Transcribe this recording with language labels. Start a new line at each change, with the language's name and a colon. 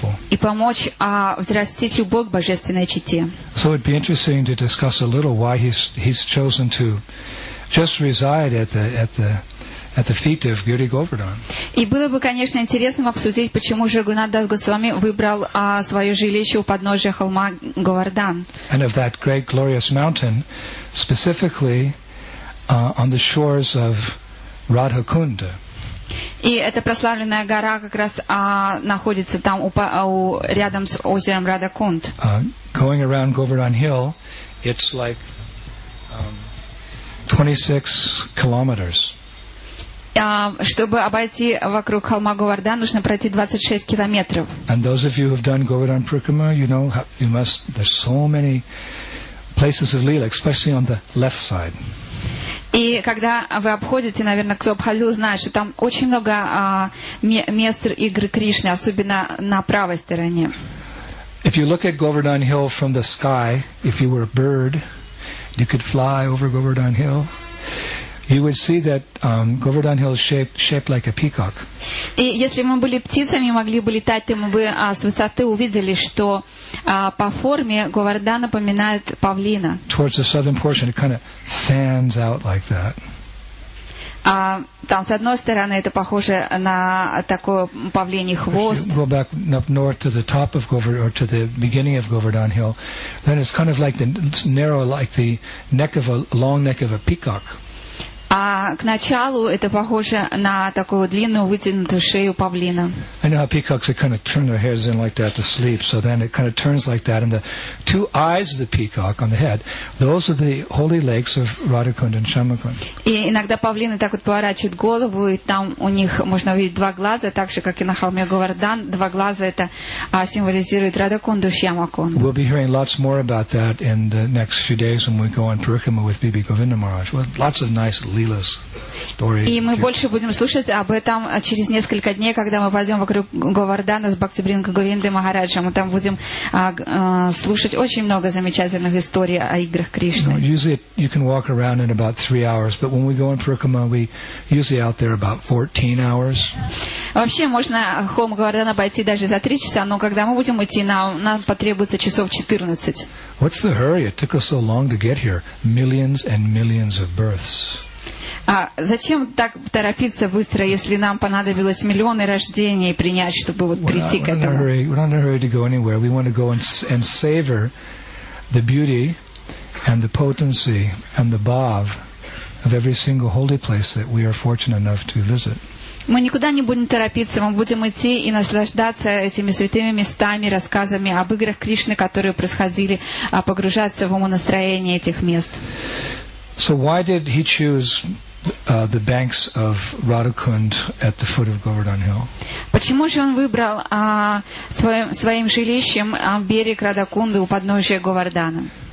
Russian: И помочь взрастить любовь к божественной чете.
English: So it'd be interesting to discuss a little why he's chosen to just reside at the feet of Giri Govardhan.
Russian: И было бы, конечно, интересно обсудить, почему же Рагхунат Дас Госвами выбрал свое жилище у подножия холма Говардан.
English: And of that great glorious mountain, specifically on the shores of Radhakunda.
Russian: И эта прославленная гора как раз находится там рядом с озером Радхакунд.
English: Going around Govardhan Hill, it's like 26 kilometers.
Russian: Чтобы обойти вокруг холма Говардан, нужно пройти 26 километров.
English: And those of you who've done Govardhan Parikrama, you know, you must. There's so many places of lila, especially on the left side.
Russian: И когда вы обходите, наверное, кто обходил, знает, что там очень много мест игры Кришны, особенно на правой стороне.
English: If you look at Govardhan Hill from the sky, if you were a bird, you could fly over Govardhan Hill. You would see that Govardhan Hill is shaped like a peacock.
Russian: И если мы были птицами, могли бы летать, то мы бы с высоты увидели, что по форме Говардан напоминает павлина.
English: Towards the southern portion, it kind of fans out like that.
Russian: Там с одной стороны это похоже на такой павлиний хвост.
English: If you go back up north to the top of Govardhan or to the beginning of Govardhan Hill, then it's kind of like the it's narrow, like the neck of a long neck of a peacock.
Russian: А к началу это похоже на такую длинную вытянутую шею павлина.
English: I know how peacocks kind of turn their heads in like that to sleep, so then it kind of turns like that, and the two eyes of the peacock on the head, those are the holy lakes of Radhakund and Shamakund.
Russian: И иногда павлины так вот поворачивают голову, и там у них можно увидеть два глаза, так же, как и на холме Говардан, два глаза это символизирует Радхакунду и Шьямакунду.
English: We'll be hearing lots more about that in the next few days when we go on Parikrama with Bibi Govinda Maharaj. Well, lots of nice Leela's stories.
Russian: И мы больше будем слушать об этом через несколько дней, когда мы пойдем вокруг Говардана с Бхактивринода Говиндой Махараджем. Мы там будем слушать очень много замечательных историй о играх Кришны.
English: Usually you can walk around in about 3 hours, but when we go on Parikrama, we usually out there about 14 hours.
Russian: Вообще можно холм Говардана обойти даже за 3 часа, но когда мы будем идти, нам потребуется часов 14.
English: What's the hurry? It took us so long to get here. Millions and millions of births.
Russian: Зачем так торопиться быстро, если нам понадобилось миллионы рождений принять, чтобы вот прийти к этому?
English: We're not in a hurry to go anywhere. We want to go and savor the beauty and the potency and the bhav of every single holy place that we are fortunate enough to visit.
Russian: Мы никуда не будем торопиться, мы будем идти и наслаждаться этими святыми местами, рассказами об играх Кришны, которые происходили, погружаться в умонастроение этих мест.
English: So why did he choose the banks of Radhakund at the foot of Govardhan Hill?
Russian: Почему же он выбрал своим жилищем берег Радакунды у подножия Говардана?